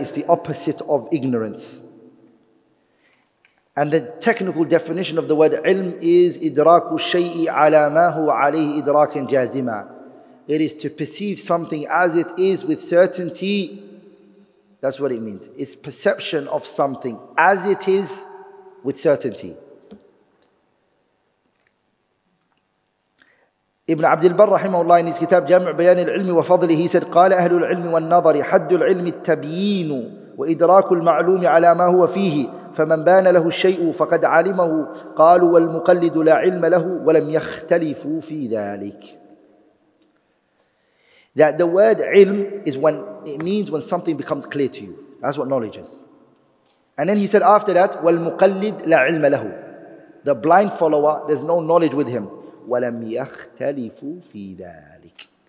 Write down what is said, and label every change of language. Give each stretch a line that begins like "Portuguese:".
English: It's the opposite of ignorance. And the technical definition of the word ilm is
Arabic: idraku shay'i ala ma huwa alayhi idrakan jazima.
English: It is to perceive something as it is with certainty. That's what it means. It's perception of something as it is with certainty. Ibn Abdul Barr, rahimahullah, in his kitab Jam' Bayan al-Ilmi wa Fadli, he said,
Arabic: قال أهل العلم والنظر حد العلم التبيين وإدراك المعلوم على ما هو فيه فمن بان له الشيء فقد علمه قالوا والمقلد لا علم له ولم يختلفوا في ذلك.
English: That the word ilm is when it means when something becomes clear to you. That's what knowledge is. And then he said after that,
Arabic: وَالْمُقَلِّدْ لَا عِلْمَ لَهُ.
English: The blind follower, there's no knowledge with him.
Arabic: وَلَمْ يَخْتَلِفُ فِي ذَلِكَ.